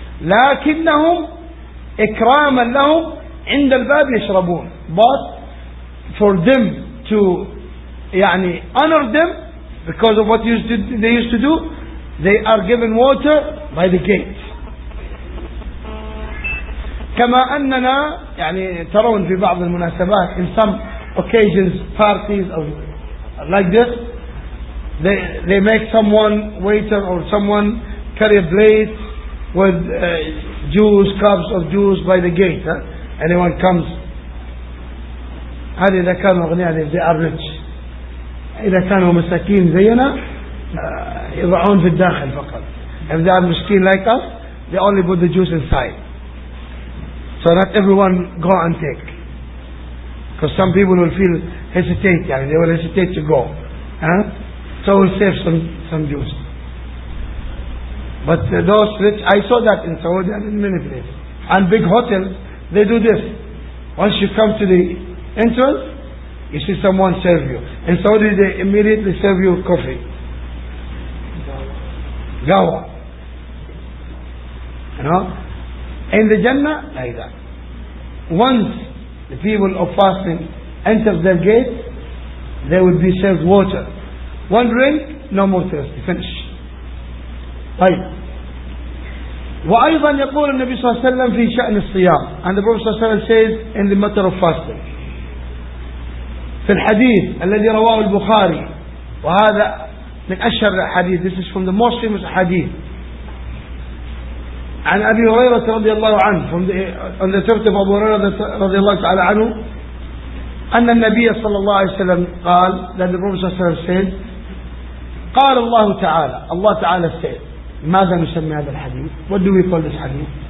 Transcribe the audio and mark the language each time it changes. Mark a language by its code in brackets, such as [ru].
[ar] لكنهم إكراما لهم عند الباب يشربون. [en] But for them to يعني honor them because of what they used to do, they are given water by the gate. [ar] كما أننا يعني ترون في بعض المناسبات [en] in some occasions parties of like this, they make someone waiter or someone carry a plate with juice, cups of juice by the gate. Huh? Anyone comes, [ar] هذه إذا كانوا أغنياء, [en] they are rich. [ar] إذا كانوا مساكين زينا يضعون في الداخل فقط. [en] If they are مسكين like us, they only put the juice inside. So not everyone go and take. Because some people will feel hesitate, يعني they will hesitate to go. So we'll save some juice. But those rich, I saw that in Saudi and in many places. And big hotels, they do this. Once you come to the entrance, You see someone serve you. In Saudi, they immediately serve you coffee. Gawa. You know? In the Jannah, like that. Once the people of fasting enter their gate, they will be served water. One drink, no more thirsty. Finish. [ar] طيب. وأيضا يقول النبي صلى الله عليه وسلم في شأن الصيام. [en] And the Prophet [ar] صلى الله عليه وسلم [en] says in the matter of fasting. [ar] في الحديث الذي رواه البخاري وهذا من أشهر الحديث. [en] This is from the most famous hadith. [ar] عن أبي هريرة رضي الله عنه [en] from the on the tribute of [ar] أبو هريرة رضي الله تعالى عنه أن النبي صلى الله عليه وسلم قال [en] that the Prophet [ar] صلى الله عليه وسلم [en] says [ar] قال الله تعالى الله تعالى [en] said. [ar] ماذا نسمي هذا الحديث؟ [en] What do we call this hadith?